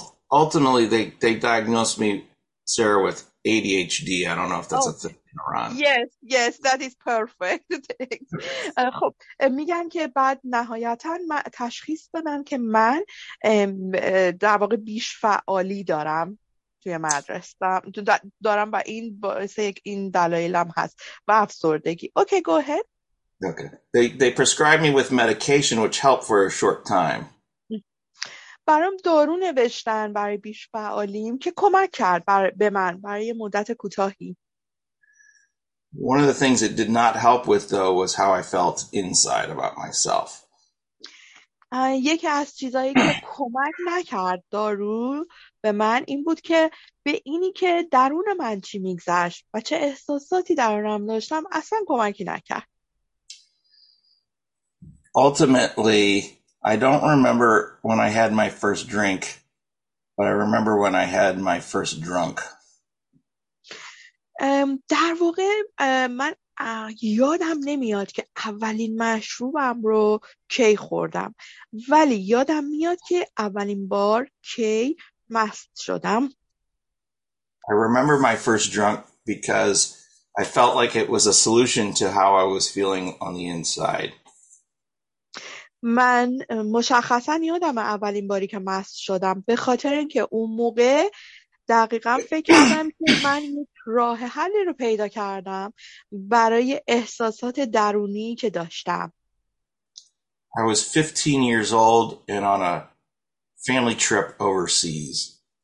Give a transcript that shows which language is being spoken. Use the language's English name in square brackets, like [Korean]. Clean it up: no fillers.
[English] Ultimately, they diagnosed me, Sarah, with ADHD. I don't know if that's a thing around. Yes, that is perfect. [Persian] خب میگن که بعد نهایتاً تشخیص دادن که من در واقع بیش فعالی دارم توی مدرسه دارم و این باعث این دلایلم هست و افسردگی. [English] Okay, go ahead. Okay. They prescribed me with medication, which helped for a short time. [Persian] برام دارو نوشتن برای بیش فعالیم که کمک کرد به من برای مدت کوتاهی. [English] One of the things it did not help with, though, was how I felt inside about myself. [Persian] یکی از چیزایی که کمک نکرد دارو به من این بود که به اینی که درون من چی میگذشت و چه احساساتی درونم داشتم اصلا کمکی نکرد. [English] Ultimately, I don't remember when I had my first drink, but I remember when I had my first drunk. [Persian] در واقع من یادم نمیاد که اولین مشروبم رو کی خوردم، ولی یادم میاد که اولین بار کی مست شدم. [English] I remember my first drunk because I felt like it was a solution to how I was feeling on the inside. [Persian] من مشخصا یادم اولین باری که مست شدم به خاطر اینکه اون موقع دقیقا فکر کردم که من یک راه حلی رو پیدا کردم برای احساسات درونی که داشتم. [English] I was 15 years old and on a family trip overseas.